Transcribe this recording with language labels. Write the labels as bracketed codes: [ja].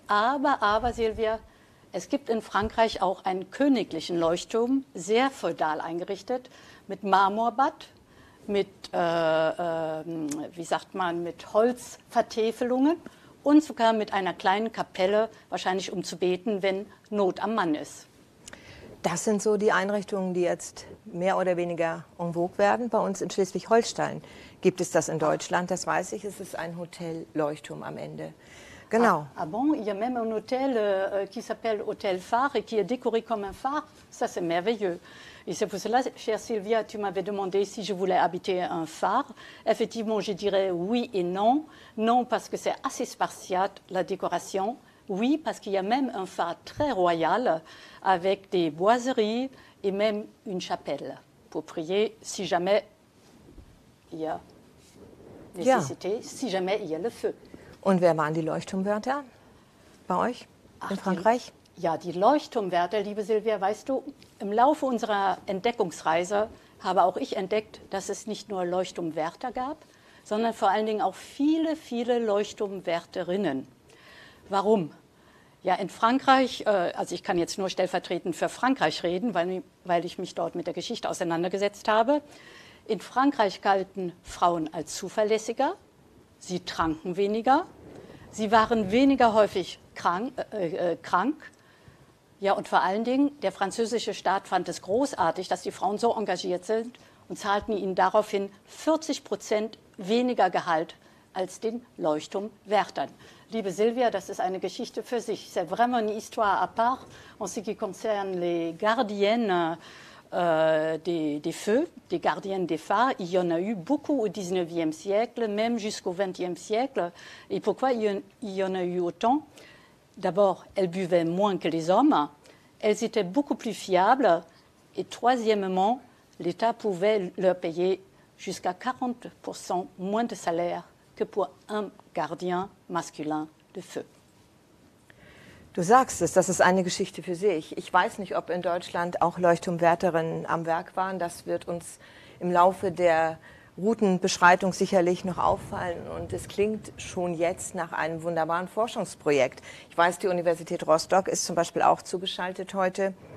[de] Aber, Silvia, es gibt in Frankreich auch einen königlichen Leuchtturm, sehr feudal eingerichtet, mit Marmorbad, mit Holzvertäfelungen und sogar mit einer kleinen Kapelle, wahrscheinlich um zu beten, wenn Not am Mann ist. Das sind so die Einrichtungen, die jetzt mehr oder weniger en vogue werden. Bei uns in Schleswig-Holstein gibt es das in Deutschland, das weiß ich. Es ist ein Hotel-Leuchtturm am Ende. Genau. [fr] Ah bon, il y a même un hôtel qui s'appelle Hôtel Phare et qui est décoré comme un phare. Ça, c'est merveilleux. Et c'est pour cela, chère Sylvia, tu m'avais demandé si je voulais habiter un phare. Effectivement, je dirais oui et non. Non, parce que c'est assez spartiate, la décoration. Oui, parce qu'il y a même un phare très royal avec des boiseries et même une chapelle pour prier si jamais il y a nécessité, yeah. Si jamais il y a le feu. [de] Und wer waren die Leuchtturmwärter bei euch in Frankreich? Ja, die Leuchtturmwärter, liebe Silvia, weißt du, im Laufe unserer Entdeckungsreise habe auch ich entdeckt, dass es nicht nur Leuchtturmwärter gab, sondern vor allen Dingen auch viele, viele Leuchtturmwärterinnen. Warum? Ja, in Frankreich, also ich kann jetzt nur stellvertretend für Frankreich reden, weil ich mich dort mit der Geschichte auseinandergesetzt habe. In Frankreich galten Frauen als zuverlässiger. Sie tranken weniger, sie waren weniger häufig krank. Ja, und vor allen Dingen, der französische Staat fand es großartig, dass die Frauen so engagiert sind und zahlten ihnen daraufhin 40% weniger Gehalt als den Leuchtturmwärtern. Liebe Silvia, das ist eine Geschichte für sich. [fr] C'est vraiment une histoire à part en ce qui concerne les gardiennes des feux, des gardiennes des phares, il y en a eu beaucoup au 19e siècle, même jusqu'au 20e siècle. Et pourquoi il y en a eu autant? D'abord, elles buvaient moins que les hommes, elles étaient beaucoup plus fiables, et troisièmement, l'État pouvait leur payer jusqu'à 40% moins de salaire que pour un gardien masculin de feu. [de] Du sagst es, das ist eine Geschichte für sich. Ich weiß nicht, ob in Deutschland auch Leuchtturmwärterinnen am Werk waren. Das wird uns im Laufe der Routenbeschreitung sicherlich noch auffallen. Und es klingt schon jetzt nach einem wunderbaren Forschungsprojekt. Ich weiß, die Universität Rostock ist zum Beispiel auch zugeschaltet heute.